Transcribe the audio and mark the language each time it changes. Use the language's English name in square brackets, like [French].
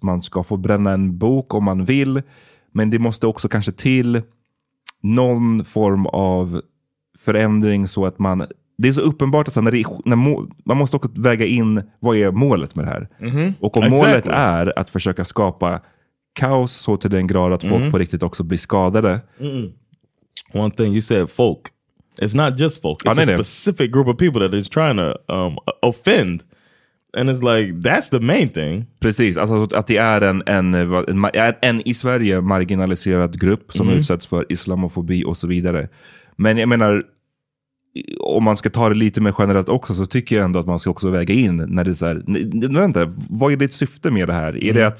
[Swedish] Man ska få bränna en bok om man vill, men det måste också kanske till någon form av förändring så att man... Det är så uppenbart att man måste också väga in vad är målet med det här. Mm-hmm. Och om exactly. målet är att försöka skapa kaos så till den grad att folk mm-hmm. på riktigt också blir skadade. [English] Mm-mm. One thing you said, folk. It's not just folk. It's a specific group of people that is trying to offend. And it's like, that's the main thing. [Swedish] Precis, alltså att det är en i Sverige marginaliserad grupp som mm-hmm. utsätts för islamofobi och så vidare. Men jag menar, om man ska ta det lite mer generellt också, så tycker jag ändå att man ska också väga in när det är så här, vänta, vad är ditt syfte med det här? Mm.